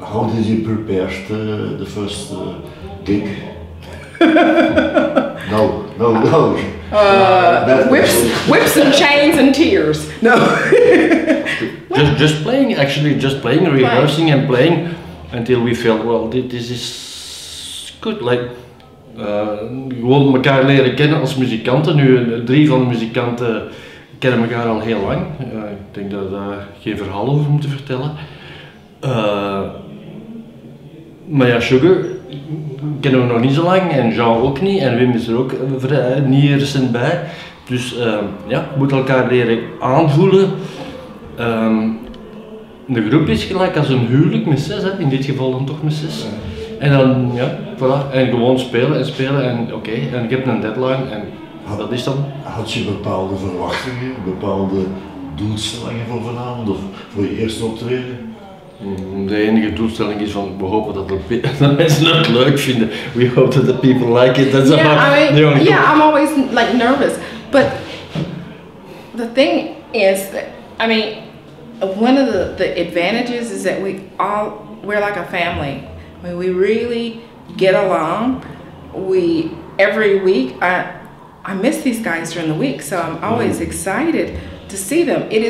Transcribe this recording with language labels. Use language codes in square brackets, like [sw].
[en] How did you prepare the first gig? No. Whips and chains and tears. No. just playing, rehearsing and playing until we felt, well, this is good. Like, [nl] gewoon elkaar leren kennen als muzikanten. Nu, drie van de muzikanten kennen elkaar al heel lang. Ik denk dat we daar geen verhaal over moeten vertellen. Maar ja, Sugar kennen we nog niet zo lang en Jean ook niet en Wim is er ook niet recent bij, dus we moeten elkaar leren aanvoelen. De groep is gelijk als een huwelijk met zes, hè. In dit geval dan toch met zes. En dan, ja, voilà. En gewoon spelen en spelen en oké. En je hebt een deadline en Dat is dan? Had je bepaalde verwachtingen, bepaalde doelstellingen voor vanavond of voor je eerste optreden? De enige doelstelling is van we hopen dat de mensen het leuk vinden. [en] We hope that the people like it. That's about the only goal. Yeah, I'm always like nervous. But the thing is that, I mean, one of the advantages is that we're like a family. I mean, we really get along. Every week I miss these guys during the week, so I'm always excited to see them.